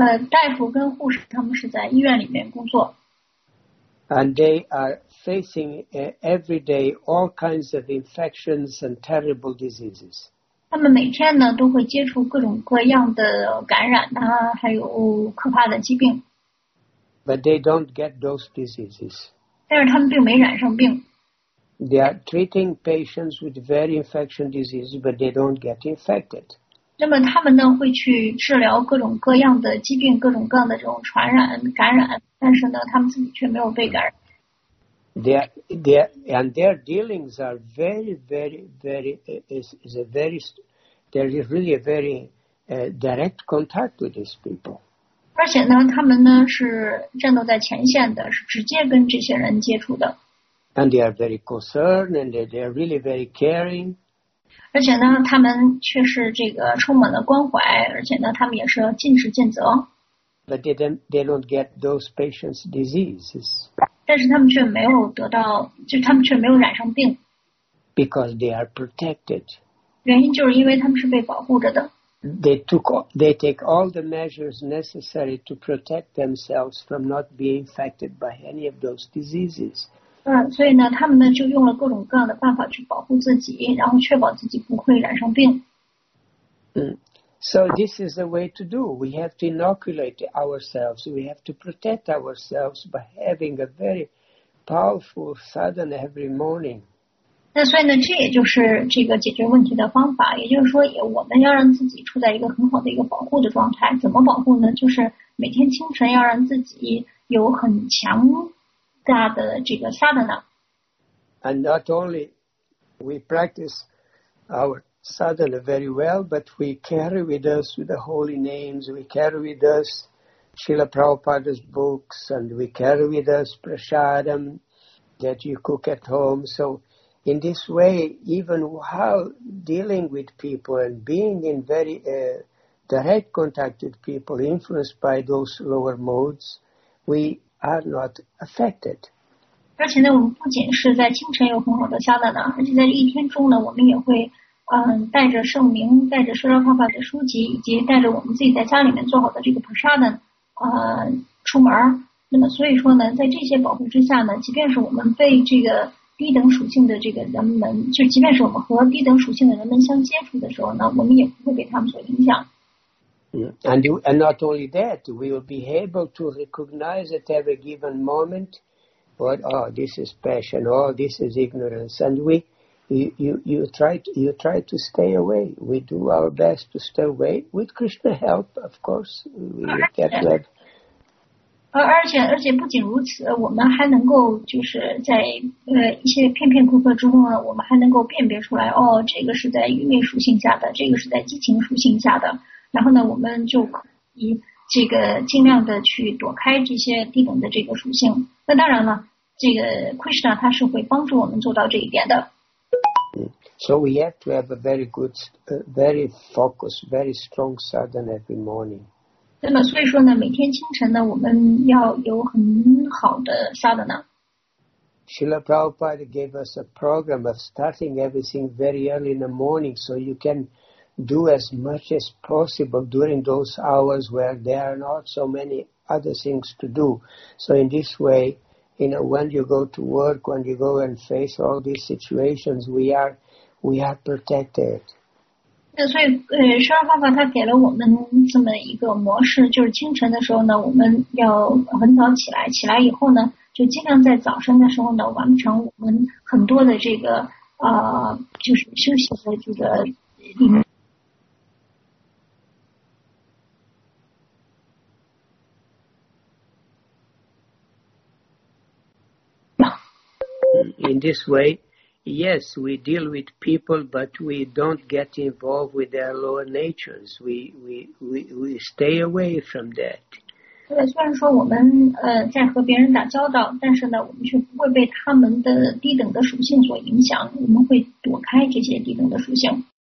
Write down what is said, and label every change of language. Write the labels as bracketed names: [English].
[Chinese] 大夫跟护士他们是在医院里面工作。 [English] And they are facing every day all kinds of infections and terrible diseases. [Chinese] 他们每天呢都会接触各种各样的感染啊，还有可怕的疾病。 [English] But they don't get those diseases. [Chinese] 但是他们并没染上病。 [English] They are treating patients with very infectious diseases, but they don't get infected. [Chinese] 那么他们呢会去治疗各种各样的疾病，各种各样的这种传染感染。但是呢，他们自己却没有被感染。 [English] Their dealings are very, very, very is a very there is really a very direct contact with these people. [Chinese] 而且呢，他们呢是战斗在前线的，是直接跟这些人接触的。 [English] And they are very concerned, and they are really very caring. [Chinese] 而且呢，他们却是这个充满了关怀，而且呢，他们也是要尽职尽责。 [English] But they don't get those patients' diseases. [Chinese] 但是他们却没有得到，就他们却没有染上病。 [English] Because they are protected. [Chinese] 原因就是因为他们是被保护着的。 [English] They take all the measures necessary to protect themselves from not being infected by any of those diseases. [Chinese] 所以呢，他们呢就用了各种各样的办法去保护自己，然后确保自己不会染上病。 [English] So this is the way to do. We have to inoculate ourselves. We have to protect ourselves by having a very powerful sadhana every morning. [Chinese] 那所以呢，这也就是这个解决问题的方法。也就是说，我们要让自己处在一个很好的一个保护的状态。怎么保护呢？就是每天清晨要让自己有很强大的这个 sadhana。 [English] And not only we practice our sadhana very well, but we carry with us the holy names, we carry with us Srila Prabhupada's books, and we carry with us prasadam that you cook at home. So in this way, even while dealing with people and being in very direct contact with people influenced by those lower modes, we are not affected. [Chinese] 而且呢，我们不仅是在清晨有很好的萨达呢，而且在一天中呢，我们也会带着圣名，带着释迦方法的书籍，以及带着我们自己在家里面做好的这个 prasada 出门。那么所以说呢，在这些保护之下呢，即便是我们被这个低等属性的这个人们，就即便是我们和低等属性的人们相接触的时候呢，我们也不会被他们所影响。 [English] And not only that, we will be able to recognize at every given moment what, oh, this is passion, oh, this is ignorance, and we. You try to stay away. We do our best to stay away. With Krishna's help, of course, we get led. [Chinese] 而且不仅如此，我们还能够就是在一些片片刻刻之中呢，我们还能够辨别出来，哦，这个是在愚昧属性下的，这个是在激情属性下的。然后呢，我们就可以这个尽量的去躲开这些低等的这个属性。那当然了，这个 Krishna 他是会帮助我们做到这一点的。 [English] So we have to have a very good, very focused, very strong sadhana every morning. [Chinese] 那么所以说呢，每天清晨呢，我们要有很好的萨德纳。 [English] Srila Prabhupada gave us a program of starting everything very early in the morning so you can do as much as possible during those hours where there are not so many other things to do. So in this way, you know, when you go to work, when you go and face all these situations, we are protected. [Chinese] 那所以十二方法他给了我们这么一个模式，就是清晨的时候呢，我们要很早起来，起来以后呢，就尽量在早晨的时候呢，完成我们很多的这个就是休息的这个 [English] In this way, yes, we deal with people, but we don't get involved with their lower natures. We stay away from that. [Chinese] 对，虽然说我们在和别人打交道，但是呢，我们却不会被他们的低等的属性所影响。我们会躲开这些低等的属性。